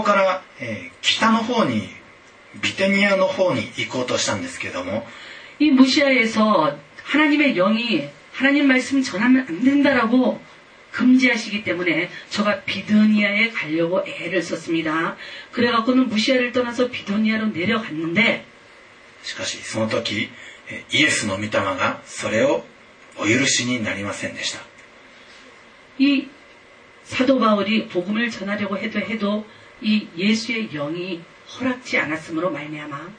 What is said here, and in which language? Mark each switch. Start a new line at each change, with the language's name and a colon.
Japanese: さらに東の方、ムシアに面したところまで来て、そしてそこから北の方に ビテニアの方に行こうとしたんですけども、
Korean: 이 무시아에서 하나님의 영이 하나님 말씀 전하면 안 된다라고 금지하시기 때문에 저가 비도니아에 가려고 애를 썼습니다. 그래갖고는 무시아를 떠나서 비도니아로 내려갔는데
Japanese: しかしその時イエスの御霊がそれをお許しになりませんでした。
Korean: 이 사도 바울이 복음을 전하려고 해도 이 예수의 영이 허락지 않았으므로 말미암아